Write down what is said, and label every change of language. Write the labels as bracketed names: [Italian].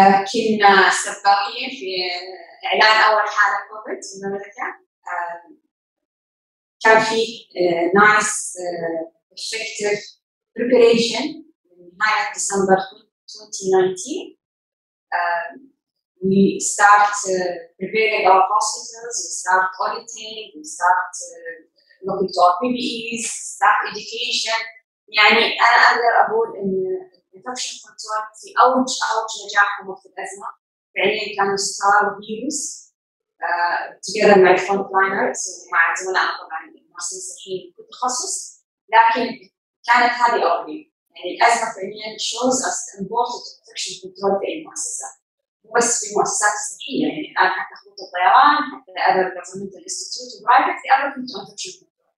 [Arabic] كنا سباقين في اعلان اول حاله COVID في المملكه، كان في نايس [English] effective preparation [Arabic] نهاية ديسمبر 2019. [English] We start preparing our hospitals, we start auditing, we start looking to our PPEs, staff education. [Arabic] يعني أنا أقدر أقول إن infection control في أوج نجاحهم في الأزمة فعليا كانوا [English] star heroes together [Arabic] مع frontliners ومع زملائنا طبعا الممارسين الصحيين في كل تخصص، لكن كانت هذه أولي، يعني الأزمة فعليا [English] shows us the importance of infection control [Arabic] في المؤسسة، مو بس في مؤسسات صحية، يعني الآن حتى خطوط الطيران، حتى [English] other governmental institute [Arabic] وبرايفت، [English] they are looking to infection control.